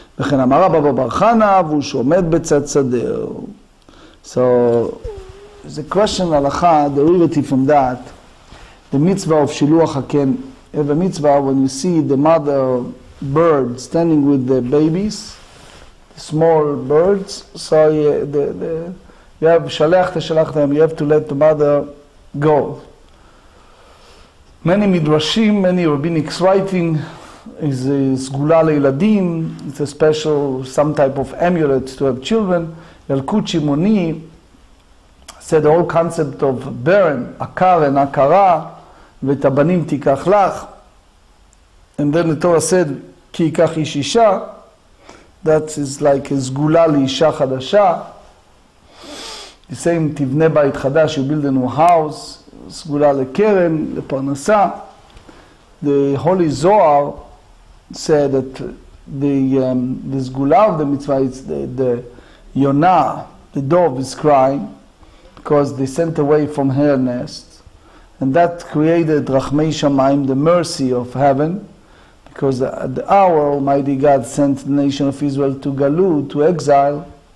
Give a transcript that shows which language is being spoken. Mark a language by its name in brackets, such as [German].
[Hebrew] וכן אמר אבא בר חנה, והוא שעומד בצד שדהו. [English] So, the question הלכה, derivative from that, the mitzvah of שילוח הקן, the mitzvah when you see the mother bird standing with the babies, the small birds, so you have שלחת, שלחת, you have to let the mother go. Many midrashim, many rabbinic writing, is a sgula leiladim, it's a special, some type of amulet to have children. Yalkut Shimoni said the whole concept of Beren, Akar and Akara, [Hebrew] ותבנים תיקח לך. [English] And then the Torah said, [Hebrew] כי ייקח איש אישה, [English] that is like a sgula לאישה חדשה. The same, [Hebrew] תבנה בית חדש, [English] you build a new house. [Hebrew] סגולה לקרן, לפרנסה. [English] The Holy Zohar said that the סגולה of the mitzvah is the Yonah, the dove is crying because they sent away from her nest. And that created רחמי שמיים, the mercy of heaven, because at our Almighty God sent the nation of Israel to Galu, to exile.